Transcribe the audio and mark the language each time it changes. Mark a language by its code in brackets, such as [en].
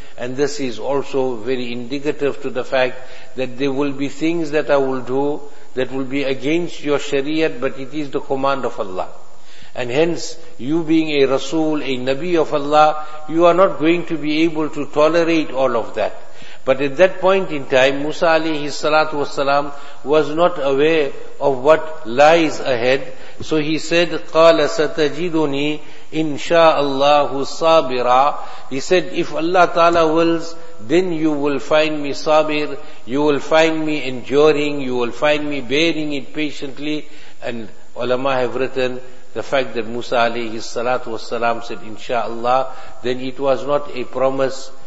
[en] And this is also very indicative to the fact that there will be things that I will do that will be against your Shariat, but it is the command of Allah. And hence, you being a Rasul, a Nabi of Allah, you are not going to be able to tolerate all of that. But at that point in time, Musa alayhi salatu wasalam was not aware of what lies ahead. So he said, [ar] قَالَ سَتَجِدُنِي إِنْشَاءَ اللَّهُ صَابِرًا. [en] He said, if Allah ta'ala wills, then you will find me sabir, you will find me enduring, you will find me bearing it patiently. And ulama have written, the fact that Musa alayhi salatu wasalam said, inshaAllah, then it was not a promise.